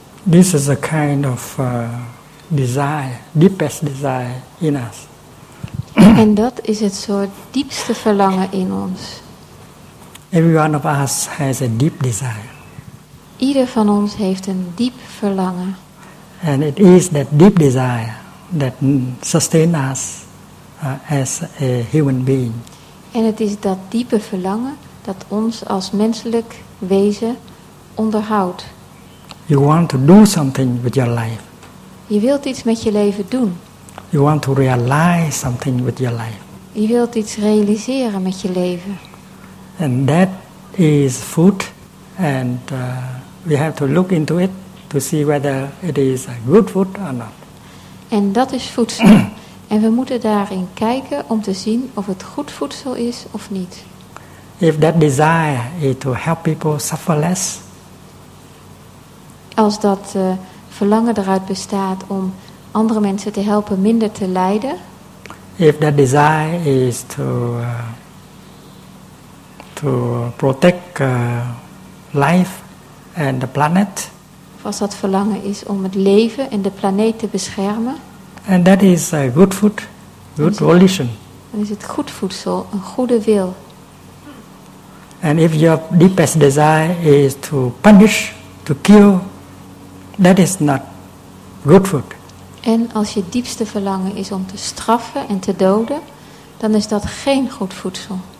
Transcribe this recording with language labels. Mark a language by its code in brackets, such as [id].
[en] This is a kind of desire, deepest desire in us. [nl] En dat is het soort diepste verlangen in ons. [en] Every one of us has a deep desire. [nl] Ieder van ons heeft een diep verlangen. [en] And it is that deep desire that sustains us as a human being. [nl] En het is dat diepe verlangen dat ons als menselijk wezen onderhoudt. [en] You want to do something with your life. [nl] Je wilt iets met je leven doen. [en] You want to realize something with your life. [nl] Je wilt iets realiseren met je leven. [en] And that is food, and we have to look into it to see whether it is a good food or not. [nl] En dat is voedsel. En we moeten daarin kijken om te zien of het goed voedsel is of niet. [en] If that desire is to help people suffer less, [nl] als dat verlangen eruit bestaat om andere mensen te helpen minder te lijden. [en] If that desire is to protect life and the planet. [nl] Of als dat verlangen is om het leven en de planeet te beschermen. [en] And that is a good food, good volition. [nl] Dan is het goed voedsel, een goede wil. [en] And if your deepest desire is to punish, to kill, that is not good food. [nl] En als je diepste verlangen is om te straffen en te doden, dan is dat geen goed voedsel.